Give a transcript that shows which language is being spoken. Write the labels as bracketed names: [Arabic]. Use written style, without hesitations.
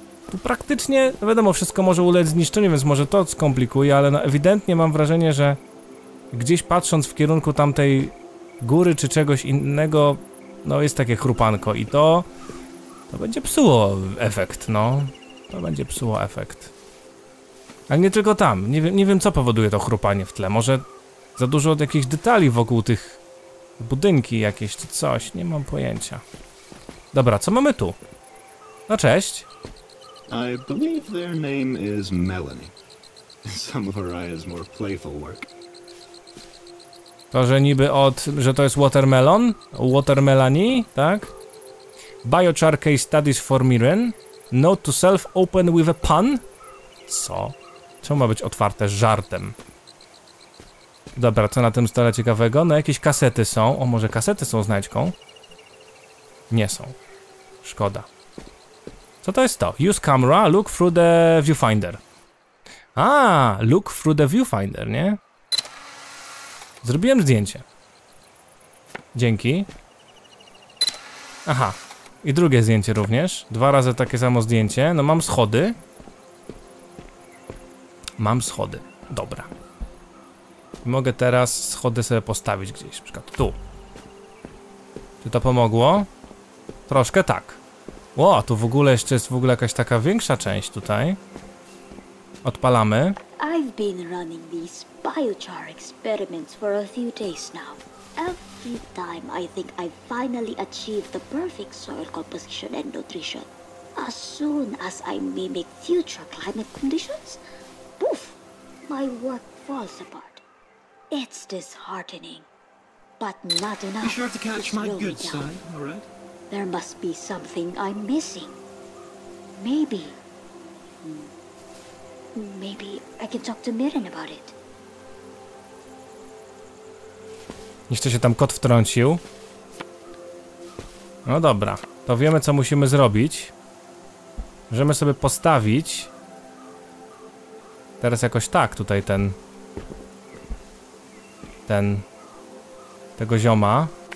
[Polish] Tu praktycznie, wiadomo, wszystko może ulec zniszczeniu, więc może to skomplikuje, ale no ewidentnie mam wrażenie, że gdzieś patrząc w kierunku tamtej góry czy czegoś innego, no jest takie chrupanko i to będzie psuło efekt, no. To będzie psuło efekt. Ale nie tylko tam. Nie wiem, co powoduje to chrupanie w tle. Może za dużo od jakichś detali wokół tych budynki jakieś czy coś. Nie mam pojęcia. Dobra, co mamy tu? No cześć. [English] I believe their name is Melanie. Samurai's more playful work. [Polish] To, że niby od, że to jest watermelon, watermelani, tak? [English] Biochar case studies for Mirren. Note to self open with a pun. [Polish] Co? Co ma być otwarte żartem? Dobra, co na tym stole ciekawego? No jakieś kasety są. O, może kasety są znajdźką? Nie są. Szkoda. Co to jest to? [English] Use camera, look through the viewfinder. A, look through the viewfinder, nie? [Polish] Zrobiłem zdjęcie. Dzięki. Aha. I drugie zdjęcie również. Dwa razy takie samo zdjęcie. No mam schody. Mam schody. Dobra. I mogę teraz schody sobie postawić gdzieś. Na przykład tu. Czy to pomogło? Troszkę tak. Ło, tu w ogóle jeszcze jest w ogóle jakaś taka większa część tutaj. Odpalamy. [English] I've been running these biochar experiments for a few days now. Every time I think I finally achieved the perfect soil composition and nutrition. As soon as I mimic future climate conditions, poof, my work falls apart. It's disheartening. But not enough. Be sure to catch my good side, all right? There must be something I'm missing. Maybe. Maybe I can talk to Mirren about it. [Polish] Jeszcze się tam kot wtrącił. No dobra, to wiemy, co musimy zrobić. Możemy sobie postawić teraz jakoś tak tutaj ten tego zioma.